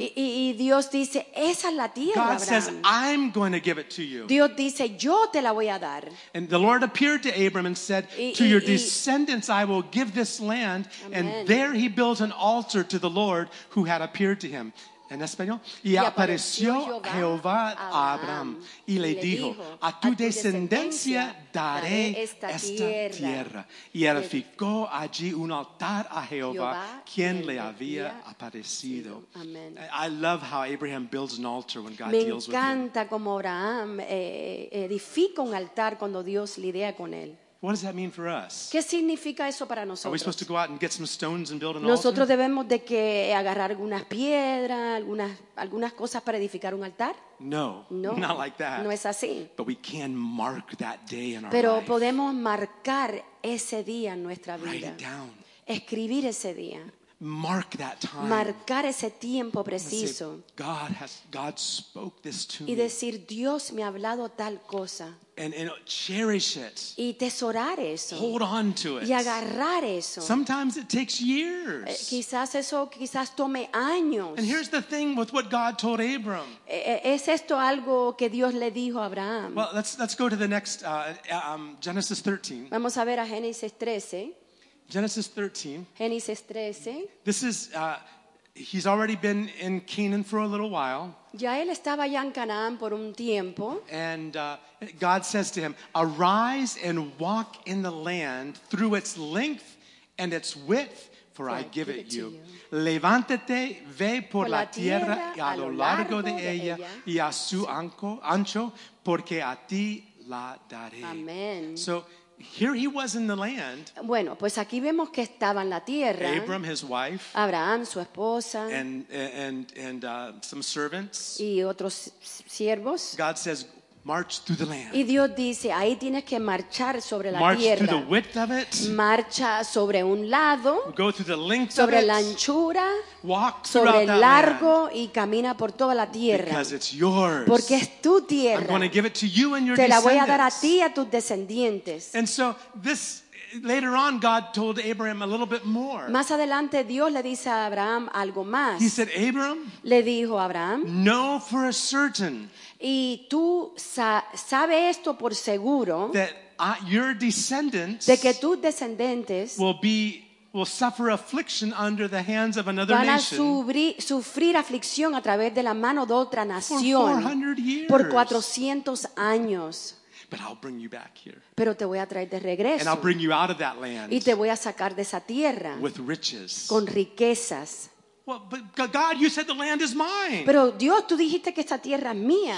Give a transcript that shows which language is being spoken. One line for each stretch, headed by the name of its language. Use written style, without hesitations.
Spanish: Y Dios dice, "Esa es la tierra,
English: God Abraham." Says, "I'm going to give it to you."
Spanish: Dios dice, "Yo te la voy a dar."
English: And the Lord appeared to Abram and said, "To your descendants I will give this land." Amen. And there he built an altar to the Lord, who had appeared to him.
Spanish: En español. Y apareció Jehová a Abraham y le dijo, a tu descendencia daré esta tierra. Y edificó allí un altar a Jehová, quien le había aparecido.
English: I love how Abraham builds an altar when God deals with him.
Spanish: Me encanta como Abraham edifica un altar cuando Dios lidia con él.
English: What does that mean for us?
Spanish: ¿Qué significa eso para nosotros?
English: Are we supposed to go out and get some stones and build an
Spanish: nosotros
English: altar?
Spanish: Debemos de que agarrar algunas piedras, algunas cosas para edificar un altar?
English: No,
Spanish: no,
English: not like that.
Spanish: No es así.
English: But we can mark that day in
Spanish: pero
English: our life.
Spanish: Pero podemos marcar ese día en nuestra vida.
English: Write it down.
Spanish: Escribir ese día.
English: Mark that time.
Spanish: Marcar ese tiempo preciso.
English: Say, God spoke this to me.
Spanish: Y decir, Dios me ha hablado tal cosa.
English: And cherish it.
Spanish: Y tesorar eso.
English: Hold on to it.
Spanish: Y agarrar eso.
English: Sometimes it takes years.
Spanish: Quizás tome años.
English: And here's the thing with what God told Abram.
Spanish: ¿Es esto algo que Dios le dijo a Abraham?
English: Well, let's go to the next Genesis 13.
Spanish: Vamos a ver a Génesis 13.
English: Genesis 13.
Spanish: Génesis 13.
English: This is he's already been in Canaan for a little while.
Spanish: Ya él estaba ya en Canaán por un tiempo. And God says to him, "Arise and walk in the land through its length and its width, for I give it you. Levántate, ve por la tierra y a lo largo de ella y a su ancho, porque a ti la daré." Amen.
English: So here he was in the land.
Spanish: Bueno, pues aquí vemos que estaba en la tierra.
English: Abram, his wife.
Spanish: Abraham, su esposa.
English: And some servants.
Spanish: Y otros siervos.
English: God says, March through the land.
Spanish: Y Dios dice, ahí tienes que marchar sobre la
English: march
Spanish: tierra.
English: March through the width of it.
Spanish: Marcha sobre un lado.
English: Go through the length of it.
Spanish: Sobre la anchura.
English: Walk
Spanish: sobre el largo
English: that land.
Spanish: Y camina por toda la tierra.
English: Because it's yours.
Spanish: Porque es tu tierra.
English: I'm going to give it to you and your
Spanish: Te la
English: descendants.
Spanish: Voy a dar a ti y a tus descendientes.
English: And so this later on God told Abraham a little bit more.
Spanish: Más adelante Dios le dice a Abraham algo más.
English: He said, Abraham,
Spanish: le dijo a Abraham,
English: know for a certain,
Spanish: y tú sabe esto por seguro,
English: that your descendants,
Spanish: de que tus descendientes,
English: will suffer affliction under the hands of another nation.
Spanish: Van a sufrir aflicción a través de la mano de otra nación.
English: For 400 years.
Spanish: Por 400 años.
English: But I'll bring you back here.
Spanish: Pero te voy a traer de regreso.
English: And I'll bring you out of that land.
Spanish: Y te voy a sacar de esa tierra.
English: With riches.
Spanish: Con riquezas.
English: Well, but God, you said the land is mine.
Spanish: Pero Dios, tú dijiste que esta tierra es mía.